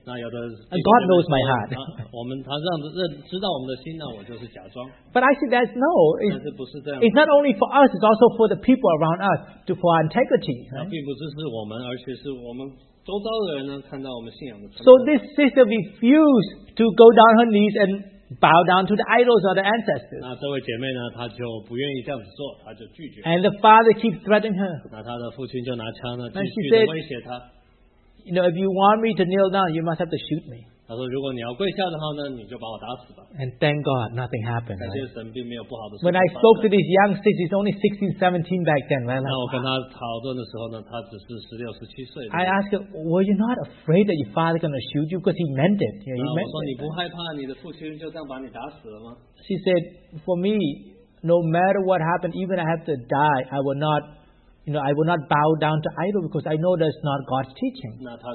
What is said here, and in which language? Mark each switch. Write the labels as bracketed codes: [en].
[en] And God knows my heart. But I say that's no. It's not only for us, it's also for the people around us, for our integrity. Right? So this sister refused to go down her knees and bow down to the idols or the ancestors. [zh] 那这位姐妹呢, 她就不愿意这样子做, 她就拒绝, [en] and the father keeps threatening her. [zh] 那她的父亲就拿枪呢, [en] and she said, you know, if you want me to kneel down, you must have to shoot me. [zh] 她说如果你要跪下的话呢, [en] and thank God, nothing happened. [zh] 感谢神并没有不好的事, [en] when I spoke to this young sister, she's only 16, 17 back then. Right? [zh] 那我跟她讨论的时候呢, 她只是 16, 17岁, [en] I asked her, were you not afraid that your father going to shoot you? Because he meant it. Yeah, he meant [zh] 我说你不害怕你的父亲就这样把你打死了吗? [en] She said, for me, no matter what happened, even if I have to die, I will not, you know, I will not bow down to idol because I know that's not God's teaching.